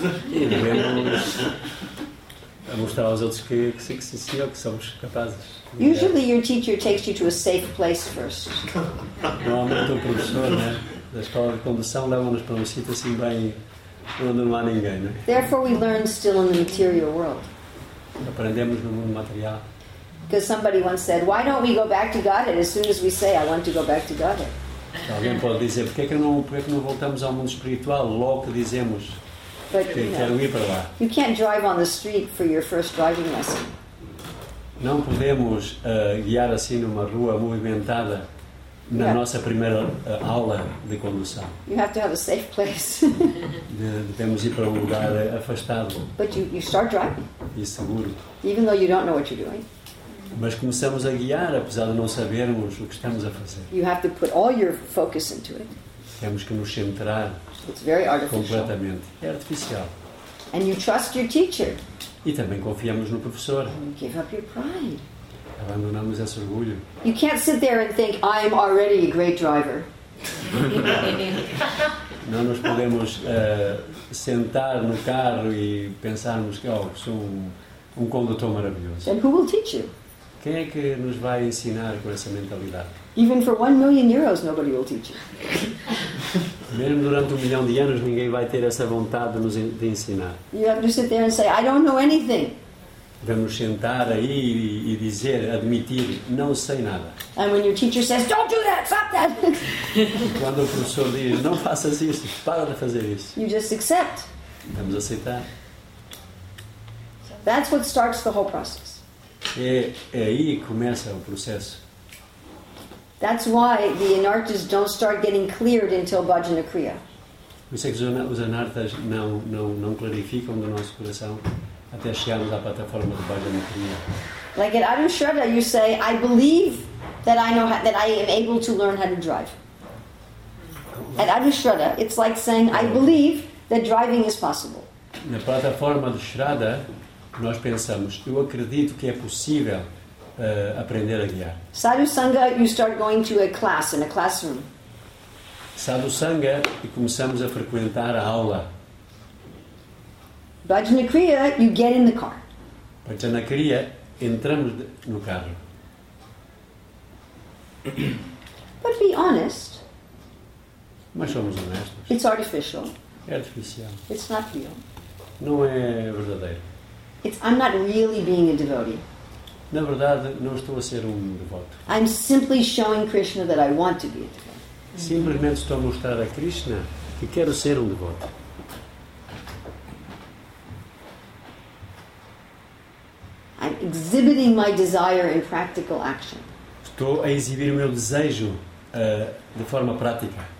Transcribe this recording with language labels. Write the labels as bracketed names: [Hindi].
[Portuguese] E devemos a mostrar aos outros que somos capazes. [English] Usually your teacher takes you to a safe place first. [Portuguese] Normalmente o professor, né? Da escola de condução leva-nos para um sítio assim bem onde não há ninguém, né? [English] Therefore we learn still in the material world. [Portuguese] Aprendemos no mundo material. [English] Because somebody once said, why don't we go back to Godhead as soon as we say I want to go back to Godhead? [Portuguese] Alguém pode dizer, porque é que não voltamos ao mundo espiritual logo que dizemos que quero ir para lá? [English] You can't drive on the street for your first driving lesson. [Portuguese] Não podemos guiar assim numa rua movimentada na nossa primeira aula de condução. [English] You have to have a safe place. [Portuguese] Devemos ir para um lugar afastado. [English] But you start driving. [Portuguese] E seguro. [English] Even though you don't know what you're doing. [Portuguese] Mas começamos a guiar apesar de não sabermos o que estamos a fazer. [English] You have to put all your focus into it. [Portuguese] temos que nos centrar. [English] It's very artificial. [Portuguese] Completamente. É artificial. [English] And you trust your teacher. [Portuguese] E também confiamos no professor. [English] And give up your pride. [Portuguese] Abandonamos esse orgulho. [English] You can't sit there and think I am already a great driver. [Portuguese] Não nos podemos sentar no carro e pensarmos que oh, sou um condutor maravilhoso. [English] And who will teach you? [Portuguese] Quem é que nos vai ensinar com essa mentalidade? [English] Even for 1 million euros, nobody will teach you. [Portuguese] Mesmo durante 1 milhão de anos, ninguém vai ter essa vontade de ensinar. [English] You have to sit there and say, I don't know anything. [Portuguese] Vamos sentar aí e dizer, admitir, não sei nada. [English] And when your teacher says, don't do that, stop that. [Portuguese] Quando o professor diz, não faças isso, para de fazer isso. [English] You just accept. [Portuguese] Vamos aceitar. [English] That's what starts the whole process. [Portuguese] É aí que começa o processo. [English] That's why the anarthas don't start getting cleared until Bhajana Kriya. [Portuguese] Por isso é que os anarthas não clarificam do nosso coração até chegarmos à plataforma de Bhajana Kriya. [English] Like at Adamshraddha, you say, I believe that I know that I am able to learn how to drive. At Adamshraddha, it's like saying, I believe that driving is possible. [Portuguese] Na plataforma de Shraddha, nós pensamos, eu acredito que é possível aprender a guiar. [English] Sadhu Sangha, you start going to a class in a classroom. [Portuguese] Sadhu Sangha, e começamos a frequentar a aula. [English] Bhajana Kriya, you get in the car. [Portuguese] Bhajana Kriya, entramos no carro. [English] But be honest. [Portuguese] Mas somos honestos. [English] It's artificial. [Portuguese] É artificial. [English] It's not real. [Portuguese] Não é verdadeiro. [English] I'm not really being a devotee. [Portuguese] Na verdade, não estou a ser um devoto. [English] I'm simply showing Krishna that I want to be a devotee. [Portuguese] Simplesmente estou a mostrar a Krishna que quero ser um devoto. [English] I'm exhibiting my desire in practical action. [Portuguese] Estou a exibir o meu desejo de forma prática.